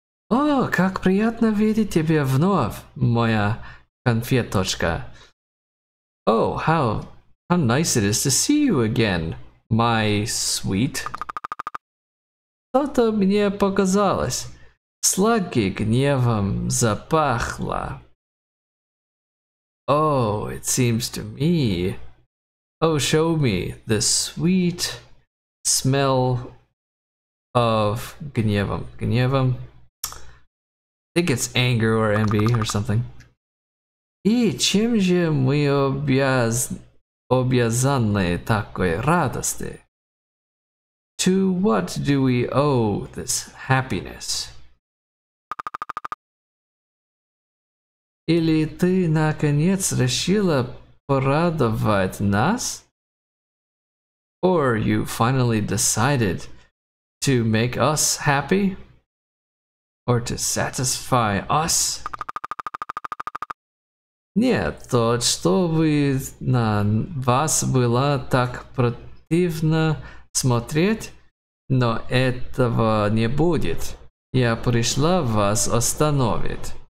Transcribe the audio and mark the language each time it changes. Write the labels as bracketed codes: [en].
[ru] Oh, как приятно видеть тебя вновь, моя конфеточка. [en] Oh, how nice it is to see you again, my sweet. [ru] Что-то мне показалось. Сладкий гневом запахло. [en] Oh, it seems to me. Oh, show me the sweet smell of [ru] гневом. Гневом. [en] I think it's anger or envy or something. [ru] И чем же мы обязаны такой радости? [en] To what do we owe this happiness? [ru] Или ты наконец решила порадовать нас? [en] Or you finally decided to make us happy? Or to satisfy us? [ru] Нет, то что бы на вас было так противно смотреть? Но этого не будет. Я пришла вас остановить.